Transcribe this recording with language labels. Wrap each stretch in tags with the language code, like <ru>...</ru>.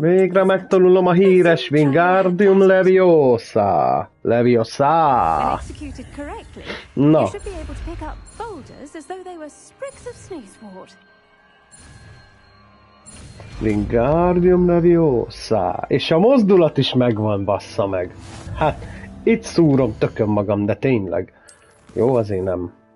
<hu>Végre megtanulom a híres Wingardium Leviosa. Leviosa.</hu> <en>Executed correctly, no. You should be able to pick up boulders as though they were sprigs of sneezewort. Wingardium Leviosa.</en> <hu>És a mozdulat is megvan, bassza meg. Hát, itt szúrom tököm magam, de tényleg. Jó, azért nem.</hu>